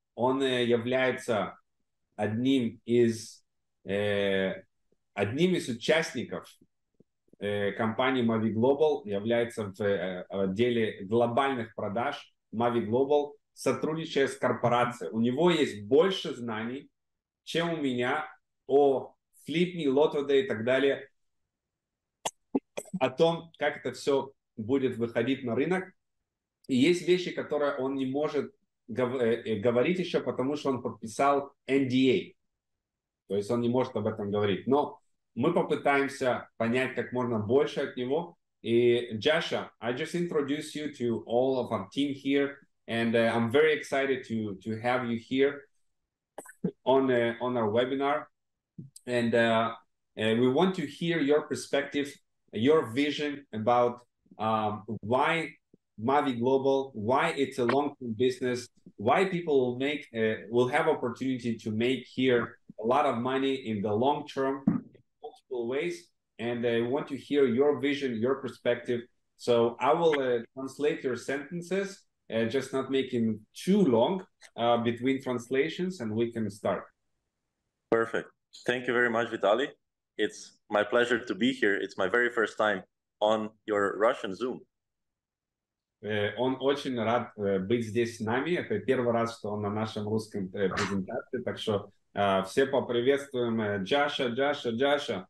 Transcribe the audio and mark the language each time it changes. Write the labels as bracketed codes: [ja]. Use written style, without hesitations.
[ru] Он является одним из участников компании Mavie Global, является в отделе глобальных продаж Mavie Global, сотрудничая с корпорацией. У него есть больше знаний, чем у меня, о FlipMe, LotoDay и так далее, о том, как это все будет выходить на рынок. И есть вещи, которые он не может говорить еще, потому что он подписал NDA. То есть он не может об этом говорить. Но мы попытаемся понять как можно больше от него. И, Джаша, [en] I just introduce you to all of our team here, and I'm very excited to have you here on our webinar. And we want to hear your perspective, your vision about why Mavie Global, why it's a long-term business, why people will have opportunity to make here a lot of money in the long term, in multiple ways. And I want to hear your vision, your perspective. So I will translate your sentences, just not making too long between translations, and we can start. Perfect. Thank you very much, Vitaly. It's my pleasure to be here. It's my very first time on your Russian Zoom. [ru] Он очень рад быть здесь с нами. Это первый раз, что он на нашем русском презентации. Так что все поприветствуем Джаша.